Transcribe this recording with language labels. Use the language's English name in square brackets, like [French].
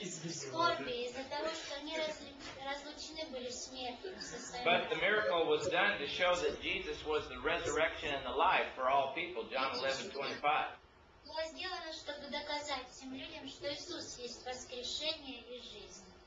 [Russian] скорби, из-за того, что они разлучены были смертью со своим. [English] But the miracle was done to show that Jesus was the resurrection and the life for all people, John 11:25. [Russian] Было сделано, чтобы доказать всем людям, что Иисус есть воскрешение и жизнь.